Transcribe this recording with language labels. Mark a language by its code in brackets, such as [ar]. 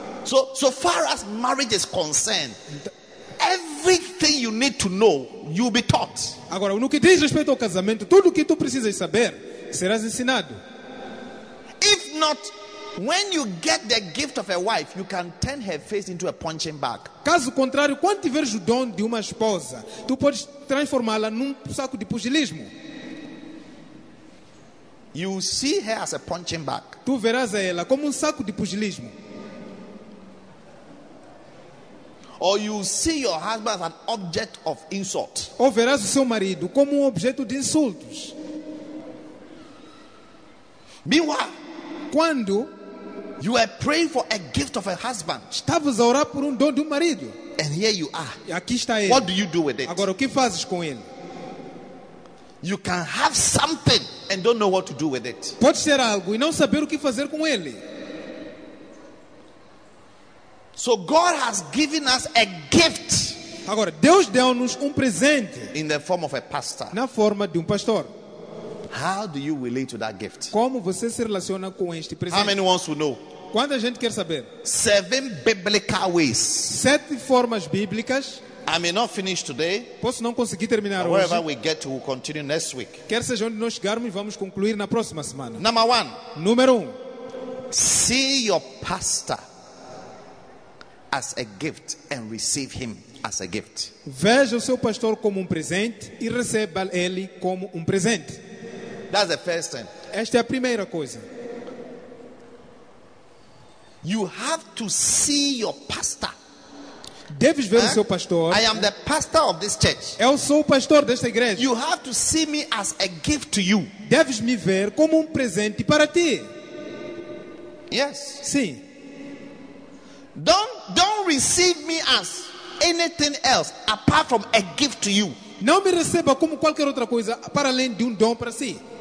[en] So far as marriage is concerned, everything you need to know, you'll be taught. [pt] Agora, no que diz respeito ao casamento, tudo o que tu precisas saber, serás ensinado. [en] If not, when you get the gift of a wife, you can turn her face into a punching bag. [pt] Caso contrário, quando tiveres o dom de uma esposa, tu podes transformá-la num saco de pugilismo. [en] You see her as a punching bag. [pt] Tu verás a ela como saco de pugilismo. [en] Or you see your husband as an object of insult. [pt] Ou verás o seu marido como objeto de insultos. [en] Meanwhile, [pt] quando [en] you are praying for a gift of a husband, [pt] estavas a orar por dom de marido. [en] And here you are. [pt] Aqui está ele. [en] What do you do with it? [pt] Agora, o que fazes com ele? [en] You can have something and don't know what to do with it. [pt] Pode ser algo e não saber o que fazer com ele. [en] So God has given us a gift. [pt] Agora, Deus deu-nos presente. [en] In the form of a pastor. [pt] Na forma de pastor. [en] How do you relate to that gift? [pt] Como você se relaciona com este presente? [en] How many wants to know? [pt] Quanta gente quer saber? [en] 7 biblical ways. [pt] 7 formas bíblicas. [en] I may not finish today. [pt] Posso não conseguir terminar [en] wherever [pt] hoje. [en] Wherever we get to, we'll continue next week. [pt] Quer seja onde nós chegarmos, vamos concluir na próxima semana. [en] Number one. [pt] Número 1. [en] See your pastor as a gift and receive him as a gift. [pt] Veja o seu pastor como presente e receba ele como presente. [en] That's the first thing. [pt] Esta é a primeira coisa. [en] You have to see your pastor. [pt] Deves ver o seu pastor. [en] I am the pastor of this church. [pt] Eu sou o pastor desta igreja. [en] You have to see me as a gift to you. [pt] Deves me ver como presente para ti. [en] Yes. [pt] Sim. [en] Don't receive me as anything else apart from a gift to you. [pt] Não me receba como qualquer outra coisa para além de dom para si.